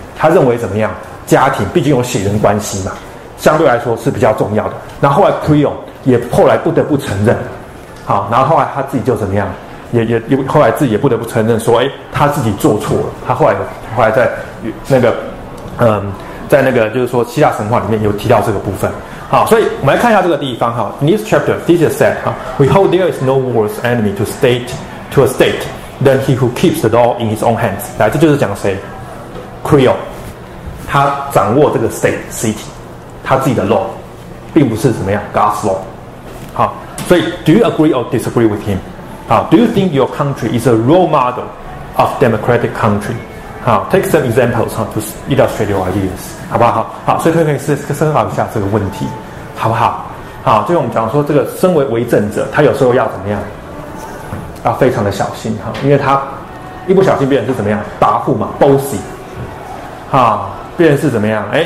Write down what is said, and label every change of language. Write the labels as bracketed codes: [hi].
[zh] 他认为怎么样，家庭毕竟有血缘关系嘛，相对来说是比较重要的。那后来 Creon 也后来不得不承认。然后后来他自己就怎么样，也后来自己也不得不承认说，他自己做错了。他后来在那个，在那个就是说希腊神话里面有提到这个部分。所以我们来看一下这个地方 [en] In this chapter, Theseus said, "We hold there is no worse enemy to a state than he who keeps the law in his own hands." [zh] 来，这就是讲谁 ，Creon， 他掌握这个 state city， 他自己的 law， 并不是怎么样 [en] God's law。所以 do you agree or disagree with him? Do you think your country is a role model of democratic country? Take some examples to illustrate your ideas. [zh] 好不好？好，所以可以思考一下这个问题，好不好？好，就是我们讲说这个身为为政者，他有时候要怎么样？要非常的小心，因为他一不小心变成是怎么样？跋扈嘛 ，bossy。变成是怎么样？